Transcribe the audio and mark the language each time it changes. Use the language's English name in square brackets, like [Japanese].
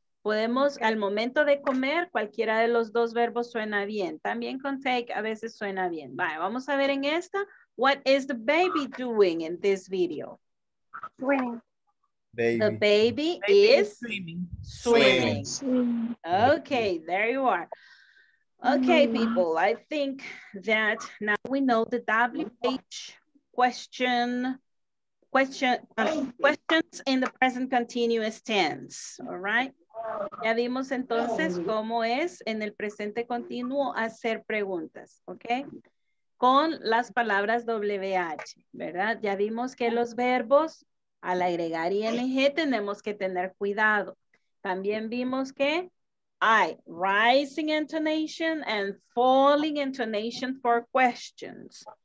[Spanish] Podemos, al momento de comer, cualquiera de los dos verbos suena bien. También con take a veces suena bien. Vale, vamos a ver en esta. [English] What is the baby doing in this video? Swimming. Baby. The baby is swimming. Okay, there you are. Okay, people, I think that now we know the WH question. Questions in the present continuous tense, all right? [Spanish] Ya vimos entonces cómo es en el presente continuo hacer preguntas, ¿ok? Con las palabras WH, ¿verdad? Ya vimos que los verbos, al agregar ING, tenemos que tener cuidado. También vimos que hay [English] rising intonation and falling intonation for questions.